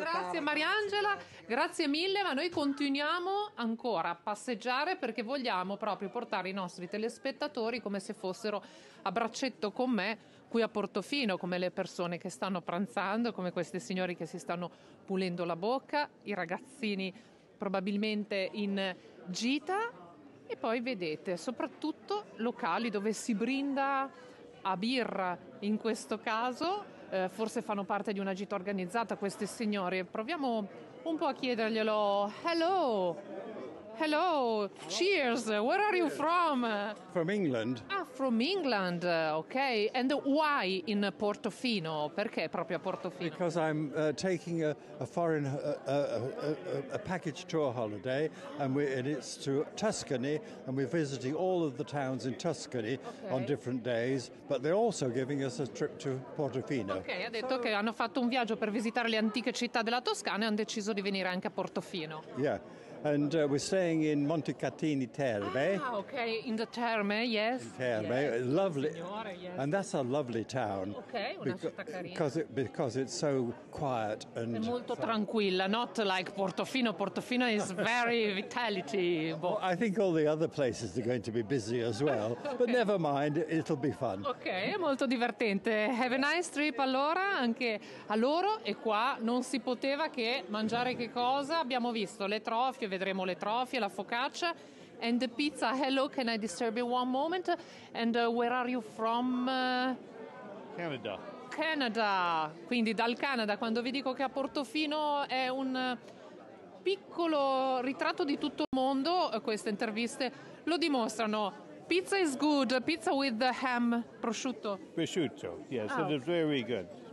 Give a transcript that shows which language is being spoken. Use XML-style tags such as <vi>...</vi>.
<it>Grazie Mariangela, grazie mille, ma noi continuiamo ancora a passeggiare perché vogliamo proprio portare i nostri telespettatori come se fossero a braccetto con me qui a Portofino, come le persone che stanno pranzando, come questi signori che si stanno pulendo la bocca, i ragazzini probabilmente in gita. E poi vedete soprattutto locali dove si brinda a birra, in questo caso forse fanno parte di una gita organizzata questi signori. Proviamo un po' a chiederglielo.</it> <en>Hello, hello, cheers, where are you from? From England. Ah, from England, ok. And why in Portofino?</en> <it>Perché proprio a Portofino?</it> <en>Because I'm taking a foreign a package tour holiday and it's to Tuscany and we're visiting all of the towns in Tuscany, okay, on different days, but they're also giving us a trip to Portofino.</en> <it>Ok, ha detto che hanno fatto un viaggio per visitare le antiche città della Toscana e hanno deciso di venire anche a Portofino.</it> <en>Yeah. And we're staying in Montecatini Terme. Ah, okay, in the Terme, yes. In Terme, yes. Lovely. Signore, yes. And that's a lovely town.</en> <it>Okay, una</it> <en>because it's so quiet and...</en> <it>È molto tranquilla,</it> <en>not like Portofino. Portofino is very vitality. Well, I think all the other places are going to be busy as well. Okay. But never mind, it'll be fun.</en> <it>Okay, è molto divertente.</it> <en>Have a nice trip</en> <it>allora, anche a loro. E qua non si poteva che mangiare che cosa? Abbiamo visto le trofie. Vedremo le trofie, la focaccia</it> <en>and the pizza. Hello, can I disturb you one moment? And where are you from? Canada.</en> <it>Canada, quindi dal Canada. Quando vi dico che a Portofino è un piccolo ritratto di tutto il mondo, queste interviste lo dimostrano.</it> <en>Pizza is good, pizza with the ham, prosciutto. Prosciutto, yes, it is very good.</en>